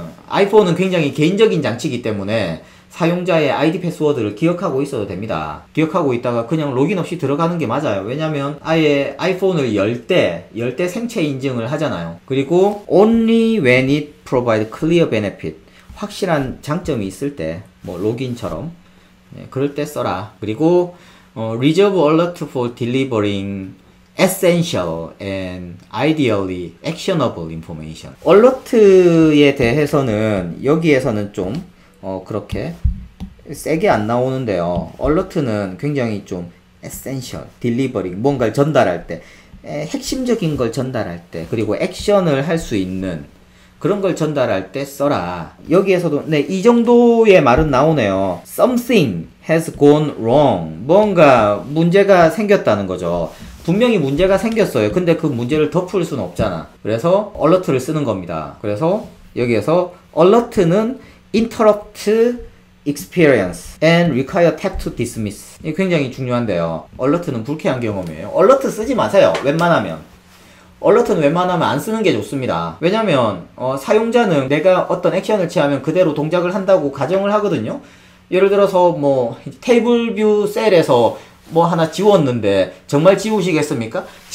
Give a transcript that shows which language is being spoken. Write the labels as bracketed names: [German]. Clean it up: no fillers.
[Korean] 아이폰은 굉장히 개인적인 장치이기 때문에 사용자의 아이디 패스워드를 기억하고 있어도 됩니다. 기억하고 있다가 그냥 로그인 없이 들어가는 게 맞아요. 왜냐면 아예 아이폰을 열 때 생체 인증을 하잖아요. 그리고 [English] only when it provide clear benefit, [Korean] 확실한 장점이 있을 때, 뭐 로그인처럼 네, 그럴 때 써라. 그리고 [English] reserve alert for delivering essential and ideally actionable information. [Korean] alert에 대해서는 여기에서는 좀 그렇게 세게 안 나오는데요. alert는 굉장히 좀 essential, delivering, 뭔가를 전달할 때, 핵심적인 걸 전달할 때, 그리고 액션을 할 수 있는 그런 걸 전달할 때 써라. 여기에서도 네, 이 정도의 말은 나오네요. [English] something has gone wrong. [Korean] 뭔가 문제가 생겼다는 거죠. 분명히 문제가 생겼어요. 근데 그 문제를 덮을 수는 없잖아. 그래서 alert를 쓰는 겁니다. 그래서 여기에서 [English] alert는 interrupt experience and require tap to dismiss. [Korean] 이게 굉장히 중요한데요. alert는 불쾌한 경험이에요. alert 쓰지 마세요, 웬만하면. alert는 웬만하면 안 쓰는 게 좋습니다. 왜냐면 사용자는 내가 어떤 액션을 취하면 그대로 동작을 한다고 가정을 하거든요. 예를 들어서 뭐 테이블 뷰 셀에서 뭐 하나 지웠는데 정말 지우시겠습니까?